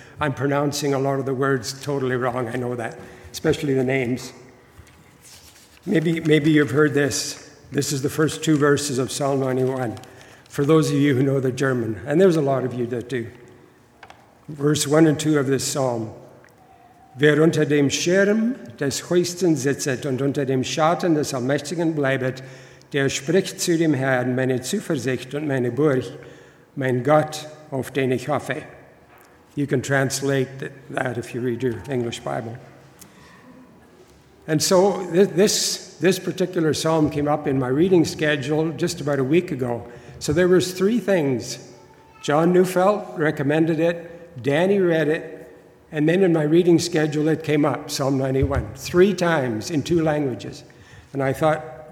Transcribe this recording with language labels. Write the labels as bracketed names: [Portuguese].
[English] I'm pronouncing a lot of the words totally wrong. I know that, especially the names. Maybe you've heard this. This is the first two verses of Psalm 91. For those of you who know the German, and there's a lot of you that do. Verse 1 and 2 of this psalm. [German] Wer unter dem Schirm des Höchsten sitzet und unter dem Schatten des Allmächtigen bleibet, der spricht zu dem Herrn, meine Zuversicht und meine Burg, mein Gott, auf den ich hoffe. [English] You can translate that if you read your English Bible. And so this particular psalm came up in my reading schedule just about a week ago. So there was three things. John Neufeld recommended it, Danny read it, and then in my reading schedule it came up, Psalm 91, three times in two languages. And I thought,